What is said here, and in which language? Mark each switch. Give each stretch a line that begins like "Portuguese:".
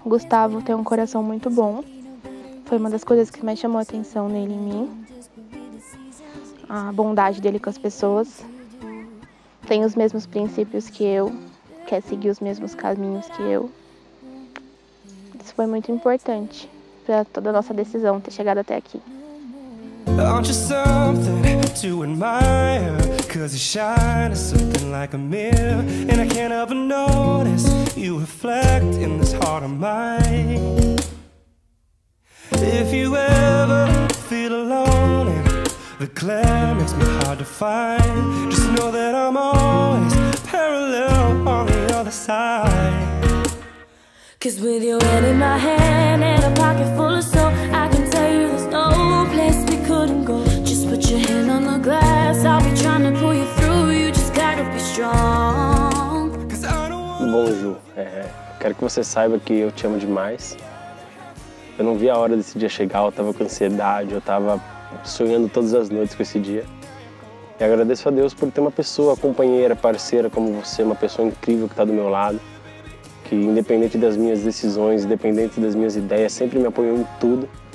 Portuguese: Gustavo tem um coração muito bom. Foi uma das coisas que mais chamou a atenção nele em mim. A bondade dele com as pessoas. Tem os mesmos princípios que eu. Quer seguir os mesmos caminhos que eu. Isso foi muito importante para toda a nossa decisão ter chegado até aqui.
English: Aren't you something to admire? Cause you shine as something like a mirror. And I can't help but notice you reflect in this heart of mine. If you ever feel alone and the glare makes me hard to find, just know that I'm always parallel on the other side. Cause with your head in my hand and a pocket full of soul, I can tell you there's no place we couldn't go. Just put your hand on the glass, I'll be trying to pull you through. You just gotta be strong. Cause I don't want...
Portuguese: Bom, Ju, quero que você saiba que eu te amo demais. Eu não vi a hora desse dia chegar, eu tava com ansiedade, eu tava sonhando todas as noites com esse dia. E agradeço a Deus por ter uma pessoa, companheira, parceira como você, uma pessoa incrível que tá do meu lado, que independente das minhas decisões, independente das minhas ideias, sempre me apoiou em tudo.